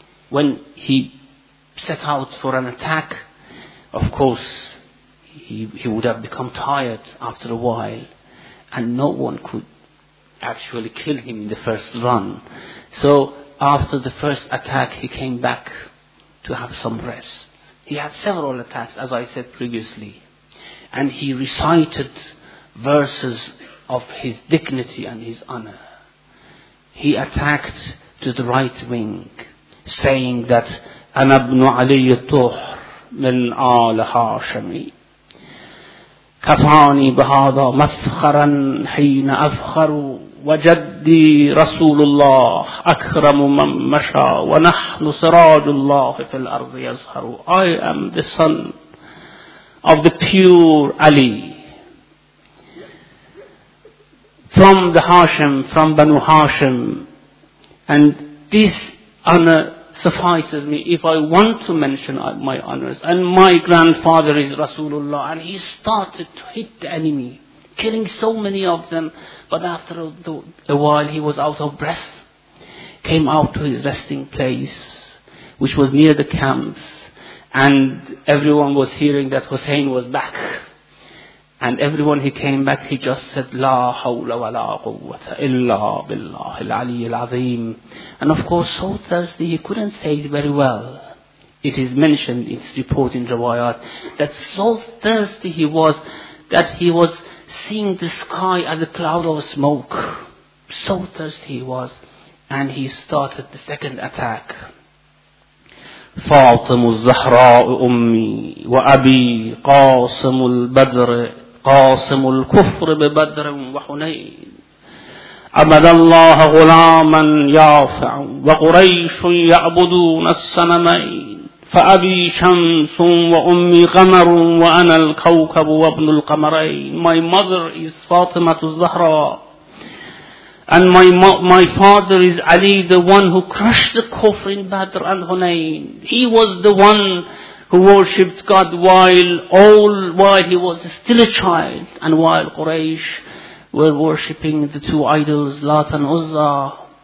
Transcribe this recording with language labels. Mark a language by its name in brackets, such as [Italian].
[English] When he set out for an attack, of course, he would have become tired after a while, and no one could actually kill him in the first run. So after the first attack, he came back to have some rest. He had several attacks, as I said previously, and he recited verses of his dignity and his honor. He attacked to the right wing, saying that [Arabic] أَنَا ابْنُ عَلِيِّ الطُّهْرِ مِنْ آلَ حَاشَمِي كَفَانِي بِهَذَا مَفْخَرًا حِينَ أَفْخَرُ وَجَدِّي رَسُولُ اللَّهِ أَكْرَمُ مَنْ مَشَى وَنَحْنُ سِرَاجُ اللَّهِ فِي الْأَرْضِ يَزْهَرُ. [English] I am the son of the pure Ali from the Hashim, from Banu Hashim, and this honor suffices me if I want to mention my honors. And my grandfather is Rasulullah. And he started to hit the enemy, killing so many of them. But after a while, he was out of breath, came out to his resting place, which was near the camps. And everyone was hearing that Hussein was back. And everyone, he came back, he just said, [Arabic] La hawla wa la quwwata illa billah al-ali al-azim. [English] And of course, so thirsty, he couldn't say it very well. It is mentioned, it's reported in Rawayat, that so thirsty he was, that he was seeing the sky as a cloud of smoke. So thirsty he was. And he started the second attack. [Arabic] فاطم الزهراء أمي وأبي قاسم البدر قاسم الكفر ببدر وحنين عبد الله غلاما يافع وقريش يعبدون الصنمين فأبي شمس وأمي قمر وأنا الكوكب وابن القمرين. [English] My mother is فاطمة الزهراء. And my father is Ali, the one who crushed the Kufr in Badr and Hunayn. He was the one who worshipped God while he was still a child, and while Quraysh were worshipping the two idols, Lat and Uzza.